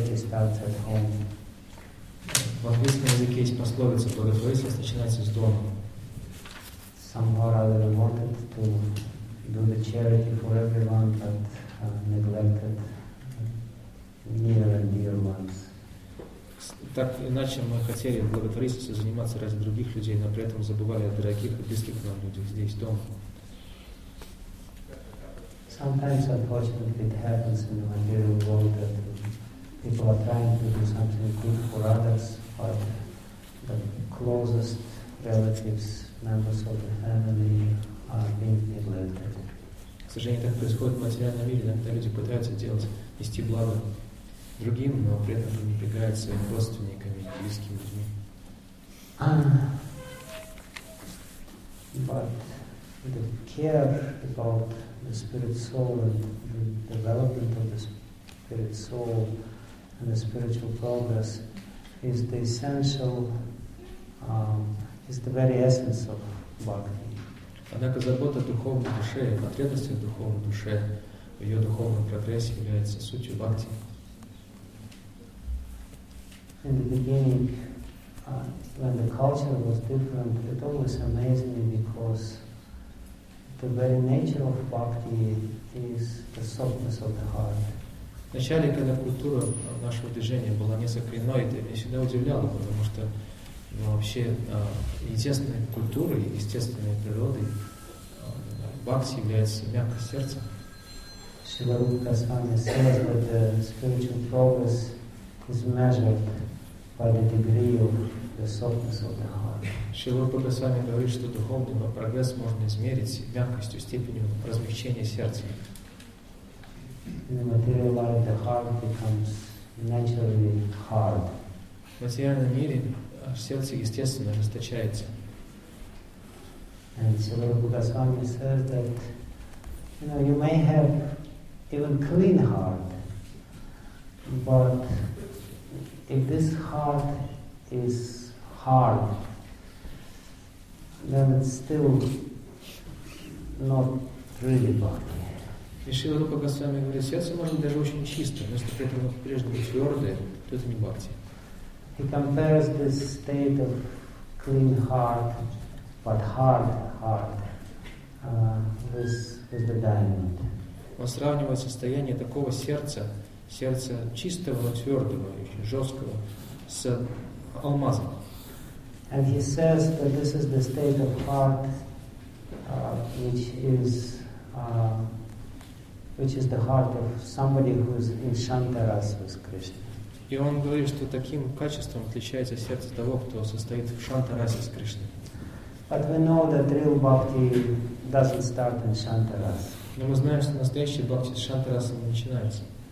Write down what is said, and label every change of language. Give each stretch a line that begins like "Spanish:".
Russian: В английском языке есть пословица «благотворительность начинается с дома».
English: Somehow or other wanted to do the charity for everyone, but neglected near and dear ones.
Russian: Так иначе мы хотели благотворительностью заниматься ради других людей, но при этом забывали о дорогих и близких нам людях здесь, дома.
English: Sometimes, unfortunately, it happens in the material world that people are trying to do something good for others, but the closest relatives, members of the family, are being neglected.
Russian: К сожалению, так происходит в материальном мире, когда люди пытаются делать, нести благо другим, но при этом пренебрегают своими родственниками, близкими людьми.
English: But the care about the spirit soul and the development of the spirit soul and the spiritual progress is the essential, is the very essence of bhakti.
Russian: Однако забота о духовной душе и потребности в духовной душе, в ее духовном прогрессе является сутью бхакти.
English: In the beginning, when the culture was different, it always amazed me because the very nature of bhakti is the softness of the heart.
Russian: Вначале, когда культура нашего движения была несколько иной, это меня всегда удивляло, потому что вообще естественной культурой, естественной природой бхакти является мягкость сердца.
English: Шрила Рупа Госвами says that the spiritual progress is measured by the degree of the softness of the heart.
Russian: Шрила Рупа Госвами говорит, что духовный прогресс можно измерить мягкостью, степенью размягчения сердца.
English: In the material life, the heart becomes naturally hard.
Russian: В материальном мире сердце естественно расточается.
English: And Srila Rupa Goswami says that, you know, you may have even clean heart, but if this heart is hard, then it's still not really bad.
Russian: И Шрила Рупа Госвами говорит, сердце может быть даже очень чистое, но если при этом по-прежнему твердое, то это не бхакти.
English: He compares this state of clean heart, but hard heart, with the diamond.
Russian: Он сравнивает состояние такого сердца, сердца чистого, но твердого, очень жесткого, с алмазом.
English: And he says that this is the state of heart, which is which is the heart of somebody who is in Shantaras with Krishna.
Russian: И он говорит, что таким качеством отличается сердце того, кто состоит в Шантарасе с Кришной.
English: But we know that real bhakti doesn't start in Shantaras.
Russian: Но мы знаем, что настоящий бхакти с Шантараса не начинается.